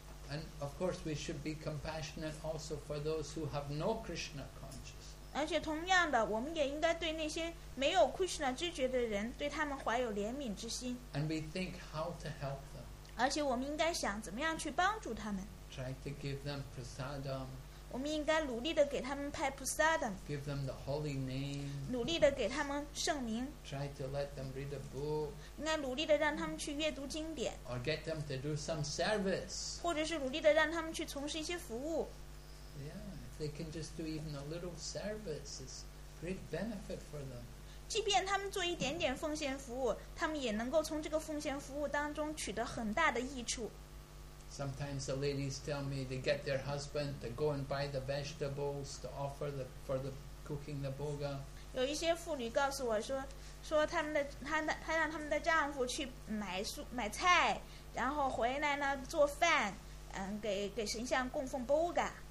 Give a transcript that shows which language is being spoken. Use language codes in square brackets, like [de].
[en] And of course, we should be compassionate also for those who have no Krishna. [zh] 而且同样的，我们也应该对那些没有 Krishna 知觉的人，对他们怀有怜悯之心。 [en] And we think how to help them. [zh] 而且我们应该想怎么样去帮助他们。 [en] Try to give them prasadam. [zh] 我们应该努力的给他们派 prasadam. [en] Give them the holy name. [zh] 努力的给他们圣名。 [en] Try to let them read a book. [zh] 应该努力的让他们去阅读经典。 [en] Or get them to do some service. [zh] 或者是努力的让他们去从事一些服务。 [en] They can just do even a little service. It's great benefit for them. [zh] 即便他们做一点点奉献服务，他们也能够从这个奉献服务当中取得很大的益处。 [en] Sometimes the ladies tell me they get their husband to go and buy the vegetables to offer the for the cooking the bhoga. [zh] 有一些妇女告诉我说，说他们的他让他们的丈夫去买菜，然后回来呢做饭，嗯，给神像供奉 bhoga。